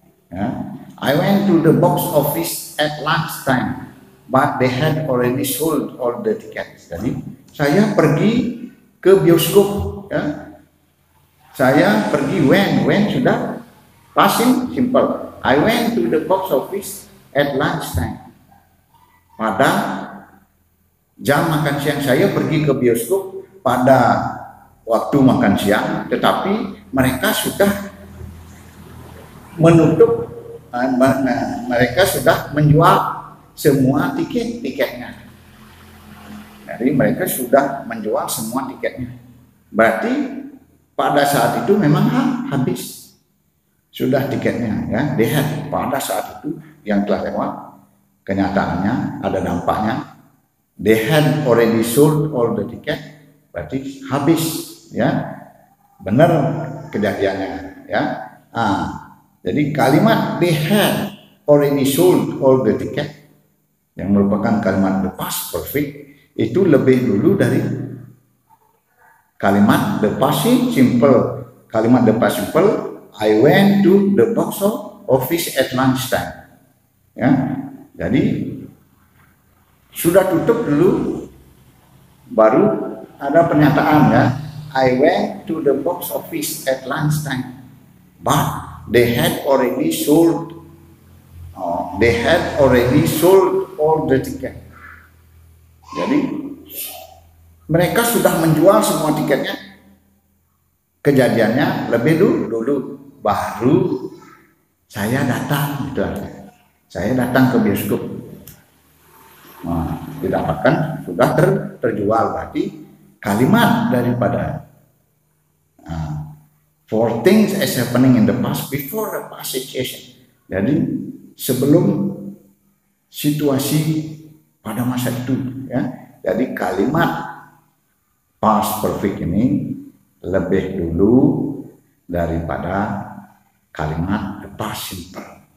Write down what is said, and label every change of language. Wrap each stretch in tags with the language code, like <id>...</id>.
<en>Yeah. I went to the box office at lunch time, but they had already sold all the tickets.</en> <id>Jadi saya pergi ke bioskop. Yeah. Saya pergi when sudah passing simple.</id> <en>I went to the box office at lunch time.</en> <id>Pada jam makan siang saya pergi ke bioskop pada waktu makan siang, tetapi mereka sudah menutup, mereka sudah menjual semua tiketnya. Jadi mereka sudah menjual semua tiketnya. Berarti pada saat itu memang habis sudah tiketnya ya. Lihat pada saat itu yang telah lewat, kenyataannya ada dampaknya.</id> <en>They had already sold all the ticket,</en> <id>berarti habis. Ya, benar kejadiannya. Ya, nah, jadi kalimat</id> <en>they had already sold all the ticket</en> <id>yang merupakan kalimat the past perfect itu lebih dulu dari kalimat the passing simple.</id> <en>Kalimat the past simple, I went to the box office at lunch time.</en> <id>Ya, jadi sudah tutup dulu, baru ada pernyataan ya.</id> <en>I went to the box office at lunch time, but they had already sold. They had already sold all the tickets.</en> <id>Jadi mereka sudah menjual semua tiketnya. Kejadiannya lebih dulu, baru saya datang. Gitu. Saya datang ke bioskop. Nah, didapatkan sudah terjual. Berarti kalimat daripada</id> <en>for things as happening in the past before the past situation.</en> <id>Jadi sebelum situasi pada masa itu ya. Jadi kalimat past perfect ini lebih dulu daripada kalimat the past simple.</id>